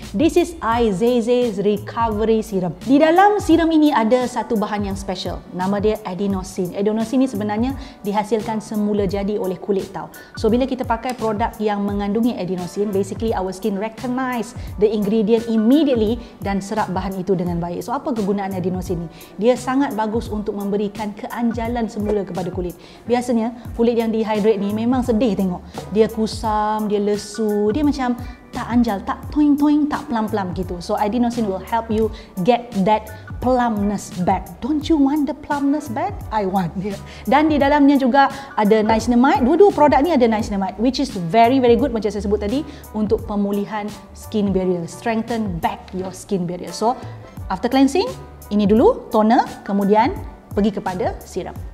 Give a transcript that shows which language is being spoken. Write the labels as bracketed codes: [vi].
[en] This is iZayZay's recovery serum. [ms] Di dalam serum ini ada satu bahan yang special. Nama dia adenosine. Adenosine ni sebenarnya dihasilkan semula jadi oleh kulit tau. So bila kita pakai produk yang mengandungi adenosine, [en] basically our skin recognize the ingredient immediately [ms] dan serap bahan itu dengan baik. So apa kegunaan adenosine ni? Dia sangat bagus untuk memberikan keanjalan semula kepada kulit. Biasanya kulit yang dehydrate ni memang sedih tengok. Dia kusam, dia lesu, dia macam tak anjal, tak toing-toing, tak plam-plam gitu. [en] So adenosine will help you get that plumpness back. Don't you want the plumpness back? I want it. Yeah. [ms] Dan di dalamnya juga ada niacinamide. Dua-dua produk ni ada niacinamide, [en] which is very very good [ms] macam saya sebut tadi untuk pemulihan skin barrier, [en] strengthen back your skin barrier. [ms] So after cleansing, ini dulu toner, kemudian pergi kepada serum.